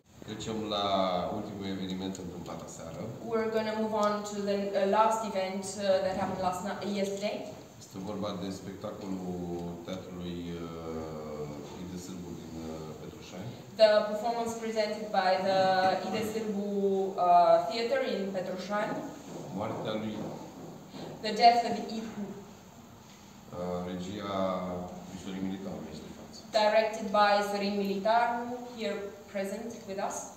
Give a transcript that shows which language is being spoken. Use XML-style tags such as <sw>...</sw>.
<ro>Trecem la ultimul eveniment întâmplat aseară.</ro> <en>We're going to move on to the last event that happened last night, yesterday.</en> <ro>Este vorba de spectacolul teatrului Ide Sârbu din Petroșani.</ro> <en>The performance presented by the Ide Sârbu Theater in Petroșani.</en> <ro>Moartea lui.</ro> <en>The death of Ihu.</en> <ro>Regia Sorin Militaru este în față.</ro> <en>Directed by Sorin Militaru, here present with us.</en>